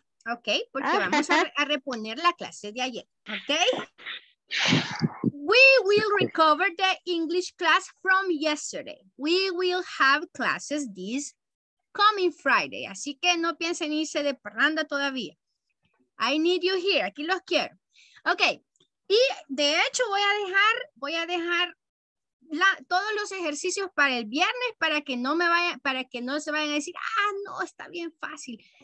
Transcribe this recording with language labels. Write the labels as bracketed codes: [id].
[es] Ok, porque vamos a reponer la clase de ayer. Ok. [en] We will recover the English class from yesterday. We will have classes this coming Friday. [es] Así que no piensen irse de parranda todavía. [en] I need you here. [es] Aquí los quiero. Ok. Y de hecho voy a dejar todos los ejercicios para el viernes para que no se vayan a decir, ah, no, está bien fácil.